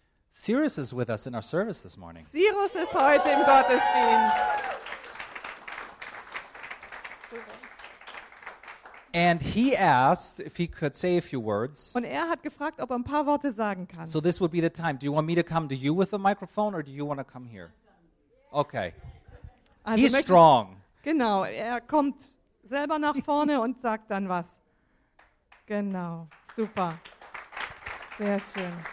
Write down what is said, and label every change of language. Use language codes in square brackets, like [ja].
[en] Cyrus is with us in our service this morning. [de] Cyrus ist heute im Gottesdienst. [en] And he asked if he could say a few words. [de] Und er hat gefragt, ob er ein paar Worte sagen kann. [en] So this would be the time. Do you want me to come to you with the microphone or do you want to come here? Okay. [de] Also [en] he's strong. [de] Genau, er kommt selber nach vorne und sagt dann was. Genau, super. Sehr schön.